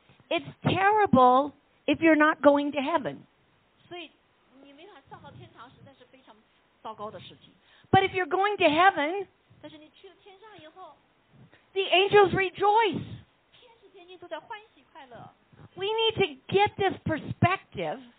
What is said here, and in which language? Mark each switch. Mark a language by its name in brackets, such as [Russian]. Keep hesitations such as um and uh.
[English] It's terrible if you're not going to heaven. [Chinese] 所以你没法上到天堂，实在是非常糟糕的事情。 [English] But if you're going to heaven， [Chinese] 但是你去了天上以后 [English] ，the angels rejoice。 [Chinese] 天使天君都在欢喜快乐。 [English] we need to get this perspective.